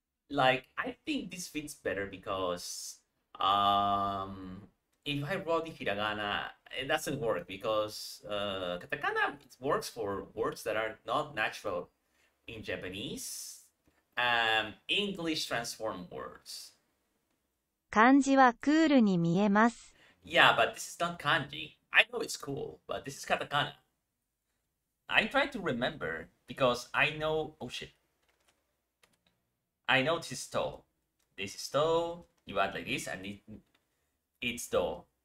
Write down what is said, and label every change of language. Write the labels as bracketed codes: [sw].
[en] Like, I think this fits better because if I wrote in hiragana, it doesn't work because katakana works for words that are not natural in Japanese, English transform words. [ja] 漢字はクールに見えます。 [en] Yeah, but this is not kanji. I know it's cool, but this is katakana. I try to remember because I know. Oh shit. I know this is to. This is to. You add like this, and it's to.